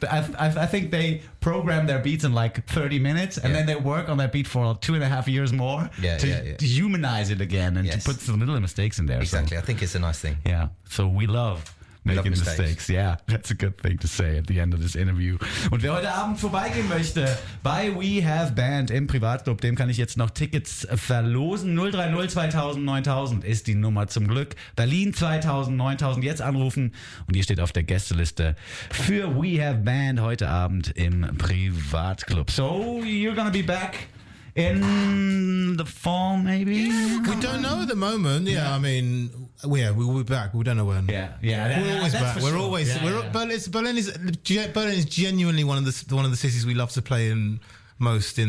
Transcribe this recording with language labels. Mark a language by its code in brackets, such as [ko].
[en] I think they program their beats in like 30 minutes and then they work on that beat for 2.5 years more to humanize it again and to put some little mistakes in there. Exactly. So. I think it's a nice thing. Yeah. So we love making mistakes. Yeah, that's a good thing to say at the end of this interview. [de] Und wer heute Abend vorbeigehen möchte bei We Have Band im Privatclub, dem kann ich jetzt noch Tickets verlosen. 030 2000 9000 ist die Nummer zum Glück. Berlin 2000 9000 jetzt anrufen und ihr steht auf der Gästeliste für We Have Band heute Abend im Privatclub. [en] So, you're gonna be back in the fall, maybe? Yeah, we don't know at the moment. Yeah, I mean, we'll be back. We don't know when. Yeah, Berlin is genuinely one of the cities we love to play in most.